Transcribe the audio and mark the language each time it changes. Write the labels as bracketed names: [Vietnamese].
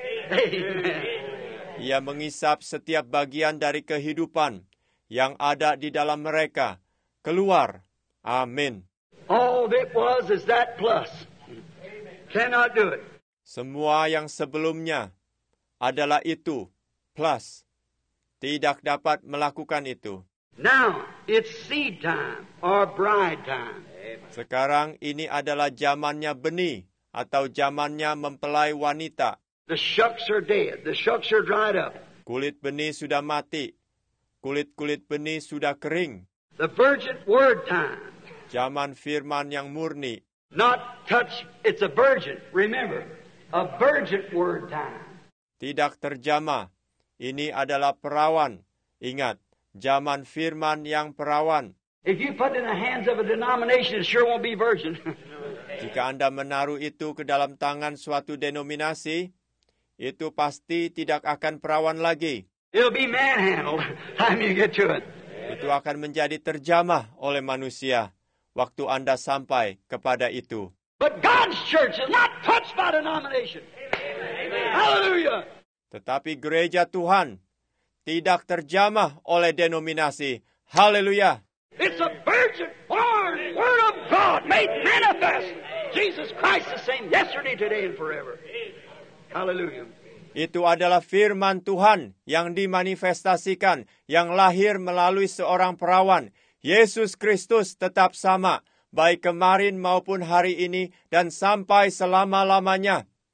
[English] Amen. [Indonesian] Ia mengisap setiap bagian dari kehidupan yang ada di dalam mereka. Keluar. Amin. [English] All that was is that plus. Amen. Cannot do it. [Indonesian] Semua yang sebelumnya adalah itu, plus. Tidak dapat melakukan itu. [English] Now, it's seed time or bride time. [Indonesian] Sekarang ini adalah zamannya benih atau zamannya mempelai wanita. [English] The shucks are dead. The shucks are dried up. [Indonesian] Kulit benih sudah mati. Kulit-kulit benih sudah kering. [English] The virgin word time. [Indonesian] Zaman firman yang murni. [English] Not touch, it's a virgin, remember. A virgin word time. [Indonesian] Tidak terjamah. Ini adalah perawan. Ingat, zaman firman yang perawan. [English] If you put it in the hands of a denomination, it sure won't be virgin. [Indonesian] Jika Anda menaruh itu ke dalam tangan suatu denominasi, itu pasti tidak akan perawan lagi. [English] It'll be manhandled time you get to it. [Indonesian] Itu akan menjadi terjamah oleh manusia waktu Anda sampai kepada itu. [English] But God's church is not touched by denomination. Amen. Hallelujah. [Indonesian] Tetapi gereja Tuhan tidak terjamah oleh denominasi. Haleluya. [English] It's a virgin born word of God made manifest. Jesus Christ the same yesterday, today and forever. Hallelujah. [Indonesian] Itu adalah firman Tuhan yang dimanifestasikan, yang lahir melalui seorang perawan. Yesus Kristus tetap sama, baik kemarin maupun hari ini, dan sampai selama-lamanya.